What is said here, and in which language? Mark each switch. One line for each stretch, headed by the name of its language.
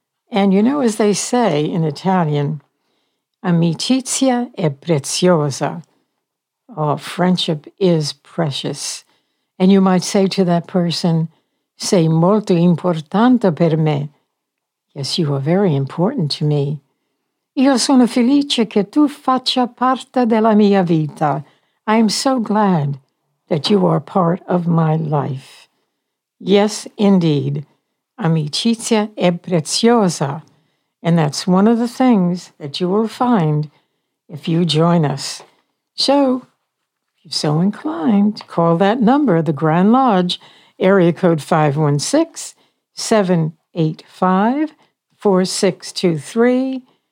English: And you know, as they say in Italian,
Italian: amicizia è preziosa.
English: Oh, friendship is precious. And you might say to that person,
Italian: sei molto importante per me.
English: Yes, you are very important to me.
Italian: Io sono felice che tu faccia parte della mia vita.
English: I am so glad that you are part of my life. Yes, indeed.
Italian: Amicizia è preziosa.
English: And that's one of the things that you will find if you join us. So, if you're so inclined, call that number, the Grand Lodge, area code 516-785-4623.